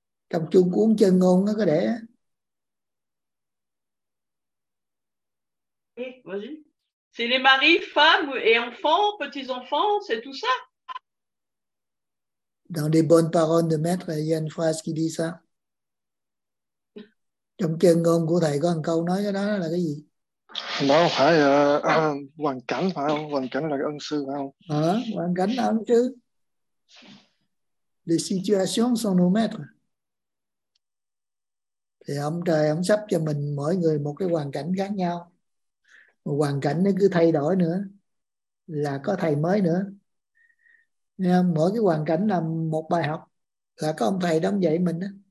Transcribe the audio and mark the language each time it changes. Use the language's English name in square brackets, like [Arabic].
[Vietnamese] Trong chung cuốn chân ngôn nó có để. [French] Vas-y. C'est les maris, femmes et enfants, petits-enfants, c'est tout ça. Dans les bonnes paroles de maître, il y a une phrase qui dit ça. [Vietnamese] Trong chân ngôn của thầy có một câu nói cái đó là cái gì? Nó phải hoàn cảnh phải không? Hoàn cảnh là cái ân sư phải không? Hoàn cảnh là ân sư. [French] Les situations sont nos maîtres. [Vietnamese] Thì ông trời ông sắp cho mình mỗi người một cái hoàn cảnh khác nhau. Mà hoàn cảnh nó cứ thay đổi nữa là có thầy mới nữa. Nghe không? Mỗi cái hoàn cảnh là một bài học, là có ông thầy đang dạy mình đó.